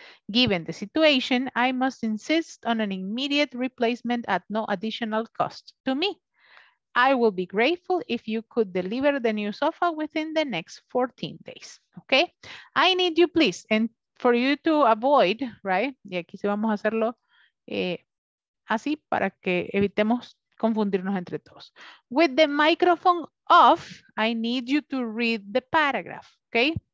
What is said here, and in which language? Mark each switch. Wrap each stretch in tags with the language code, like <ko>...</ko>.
<en>Given the situation, I must insist on an immediate replacement at no additional cost to me. I will be grateful if you could deliver the new sofa within the next 14 days, okay? I need you, please, and for you to avoid, right?</en> <es>Y aquí sí vamos a hacerlo así para que evitemos confundirnos entre todos.</es> <en>With the microphone off, I need you to read the paragraph, okay?</en>